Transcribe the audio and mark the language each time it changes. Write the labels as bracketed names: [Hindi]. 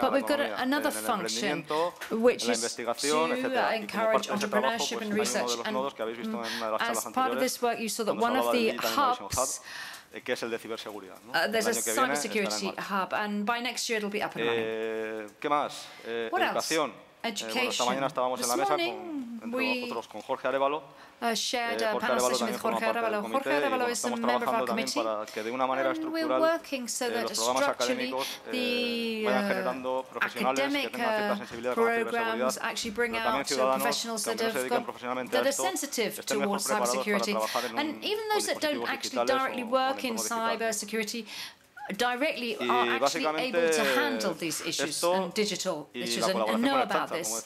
[English] But we've got another function, which is to encourage entrepreneurship and research. And as part of this work, you saw that one of the hubs, [Spanish] que es el de ciberseguridad, ¿no? [English] There's a cybersecurity hub, and by next year it'll be up and running. [Spanish] ¿Qué más? [English] What [Spanish] educación. [English] Else? [Spanish] Esta mañana estábamos en la mesa con Jorge Arévalo. [English] Shared a panel session with Jorge Arévalo. Jorge Arévalo is a member of our committee, and we're working so that structurally the academic programs actually bring out professionals that are sensitive towards cybersecurity, and even those that don't actually directly work in cybersecurity directly are actually able to handle these issues and digital issues and know about this.